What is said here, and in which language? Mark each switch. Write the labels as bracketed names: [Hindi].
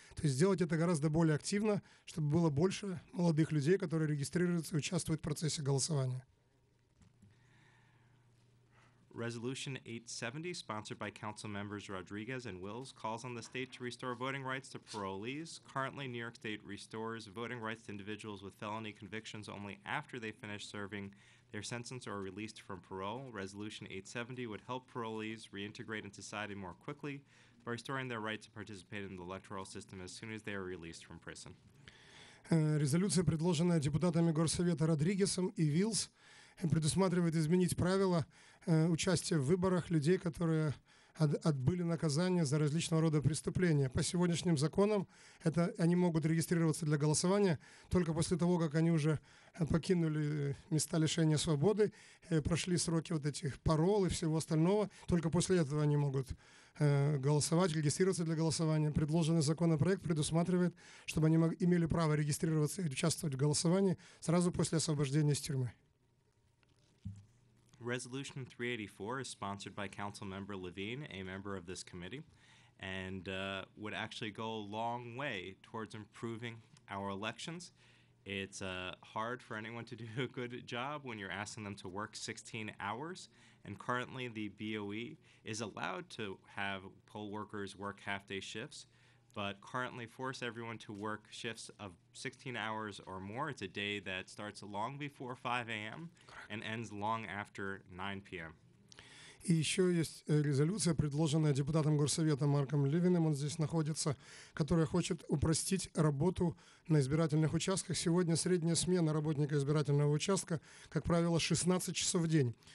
[Russian] То есть сделать это гораздо более активно, чтобы было больше молодых людей, которые регистрируются и участвуют в процессе голосования. [English] Resolution 870, sponsored by Council Members Rodriguez and Wills, calls on the state to restore voting rights to parolees. Currently, New York State restores voting rights to individuals with felony convictions only after they finish serving their sentence or are released from parole. Resolution 870 would help parolees reintegrate into society more quickly by restoring their right to participate in the electoral system as soon as they are released from prison. [Russian] Резолюция, предложенная депутатами Горсовета Родригесом и Виллс, предусматривает изменить правила участия в выборах людей, которые отбыли наказание за различного рода преступления. По сегодняшним законам это они могут регистрироваться для голосования только после того, как они уже покинули места лишения свободы, прошли сроки вот этих парол и всего остального. Только после этого они могут голосовать, регистрироваться для голосования. Предложенный законопроект предусматривает, чтобы они имели право регистрироваться и участвовать в голосовании сразу после освобождения из тюрьмы. [English] Resolution 384 is sponsored by Councilmember Levine, a member of this committee, and would actually go a long way towards improving our elections. It's hard for anyone to do a good job when you're asking them to work 16 hours, and currently the BOE is allowed to have poll workers work half-day shifts, but currently force everyone to work shifts of 16 hours or more. It's a day that starts long before 5 a.m. and ends long after 9 p.m. [Russian] И еще есть резолюция, предложенная депутатом Горсовета Марком Левиным, он здесь находится, которая хочет упростить работу на избирательных участках. Сегодня средняя смена работника избирательного участка, как правило, 16 часов в день.